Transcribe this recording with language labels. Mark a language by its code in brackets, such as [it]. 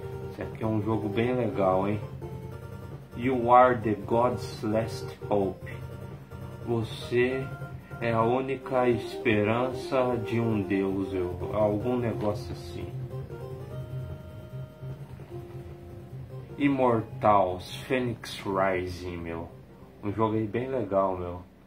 [pt] Esse aqui é um jogo bem legal, hein? [en] You are the God's last hope. [pt] Você é a única esperança de um deus, algum negócio assim. Immortals, Phoenix Rising, meu. Um jogo aí bem legal, meu.